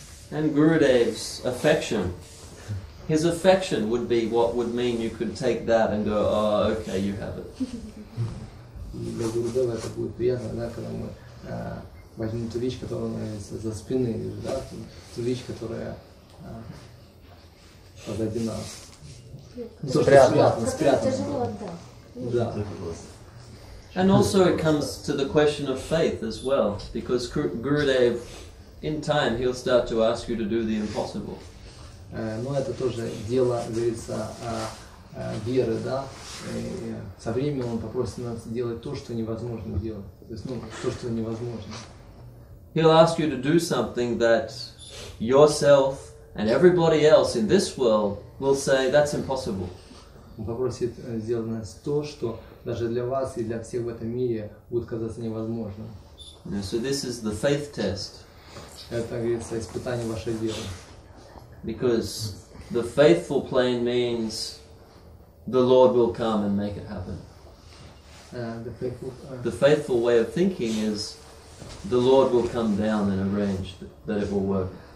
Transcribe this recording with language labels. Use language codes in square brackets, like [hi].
[en] And Gurudev's affection. His affection would be what would mean you could take that and go, oh, okay, you have it. [ru] Для Гурудева это будет приятно, да, когда мы возьмем ту вещь, которая за спиной, да, ту вещь, которая позади нас. Спрятана, да. [en] And also it comes to the question of faith as well, because Gurudev, in time, he'll start to ask you to do the impossible. [ru] Но это тоже дело, говорится, веры, да. Со временем он попросит нас делать то, что невозможно делать. То есть, ну, то, что невозможно. [en] He'll ask you to do something that yourself and everybody else in this world will say that's impossible. [ru] Он попросит сделать нас то, что даже для вас и для всех в этом мире будет казаться невозможным. [en] Yeah, so this is the faith test. [ru] Это, говорится, испытание вашей веры. [en] Because the faithful plane means the Lord will come and make it happen. The faithful way of thinking is the Lord will come down and arrange that it will work.